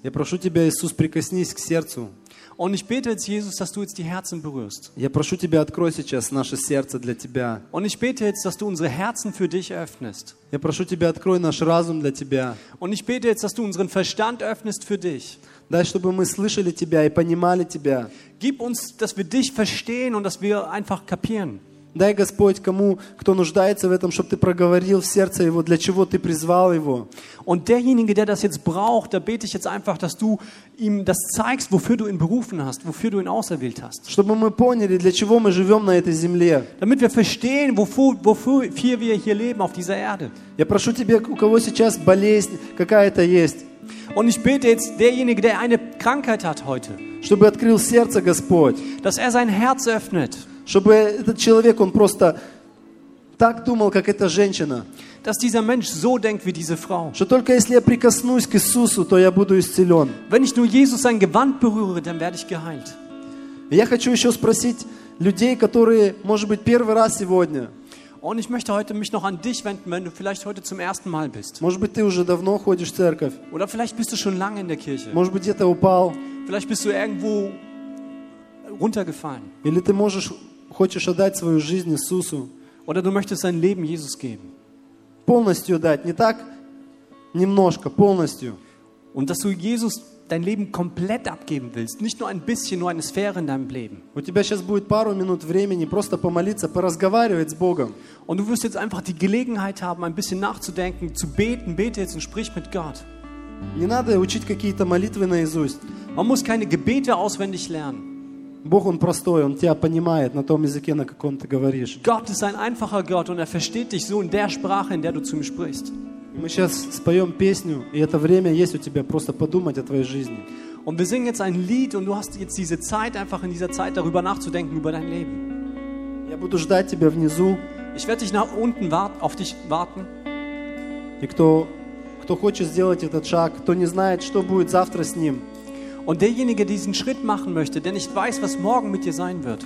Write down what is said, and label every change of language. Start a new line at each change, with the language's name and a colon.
Russian: Я прошу Тебя, Иисус, прикоснись к сердцу.
German: Und ich bete jetzt, Jesus, dass du jetzt die Herzen berührst.
Russian: Я прошу Тебя, открой сейчас наше сердце для Тебя.
German: Und ich bete jetzt, dass du unsere Herzen für dich öffnest.
Russian: Я прошу Тебя, открой наш разум для Тебя.
German: Und ich bete jetzt, dass du unseren Verstand öffnest für dich.
Russian: Дай, чтобы мы слышали Тебя и понимали Тебя.
German: Gib uns, dass wir dich verstehen und dass wir einfach kapieren.
Russian: Дай, Господь, кому, кто нуждается в этом, чтобы Ты проговорил в сердце его, для чего Ты призвал его.
German: Und derjenige, der das jetzt braucht, da bete ich jetzt einfach, dass du ihm das zeigst, wofür du ihn berufen hast, wofür du ihn auserwählt hast.
Russian: Чтобы мы поняли, для чего мы живем на этой земле.
German: Damit wir verstehen, wofür wir hier leben auf dieser Erde.
Russian: Я прошу Тебя, у кого сейчас болезнь какая-то есть.
German: Und ich bete jetzt derjenige, der eine Krankheit hat heute,
Russian: чтобы открыл сердце Господь,
German: dass er sein Herz öffnet,
Russian: чтобы этот человек он просто так думал, как эта женщина,
German: dass dieser Mensch so denkt wie diese Frau,
Russian: что только если я прикоснусь к Иисусу, то я буду исцелен.
German: Wenn ich nur Jesus sein Gewand berühre, dann werde ich geheilt.
Russian: Я хочу еще спросить людей, которые, может быть, первый раз сегодня.
German: Und ich möchte heute mich noch an dich wenden, wenn du vielleicht heute zum ersten Mal bist.
Russian: Может быть, ты уже давно ходишь в церковь.
German: Oder vielleicht bist du schon lange in der Kirche.
Russian: Может быть, где-то упал.
German: Vielleicht bist du irgendwo runtergefallen.
Russian: Или ты можешь, хочешь отдать свою жизнь Иисусу.
German: Oder du möchtest dein Leben Jesus geben.
Russian: Полностью дать, не так немножко, полностью.
German: Und dass du Jesus dein Leben komplett abgeben willst, nicht nur ein bisschen, nur eine Sphäre in deinem Leben.
Russian: У тебя сейчас будет пару минут времени просто помолиться, поразговаривать с Богом.
German: Und du wirst jetzt einfach die Gelegenheit haben, ein bisschen nachzudenken, zu beten. Bete jetzt und sprich mit Gott.
Russian: Не надо учить какие-то молитвы наизусть.
German: Man muss keine Gebete auswendig lernen.
Russian: Бог, он простой, он тебя понимает на том языке, на каком ты говоришь.
German: Gott ist ein einfacher Gott und er versteht dich so in der Sprache, in der du zu ihm sprichst.
Russian: Мы сейчас споем песню, и это время есть у тебя просто подумать о твоей жизни.
German: Und wir singen jetzt ein Lied und du hast jetzt diese Zeit einfach in dieser Zeit darüber nachzudenken über dein Leben.
Russian: Я буду ждать тебя внизу.
German: Ich werde dich nach unten warten, auf dich warten.
Russian: И кто хочет сделать этот шаг, кто не знает, что будет завтра с ним.
German: Und derjenige, der diesen Schritt machen möchte, der nicht weiß, was morgen mit dir sein wird.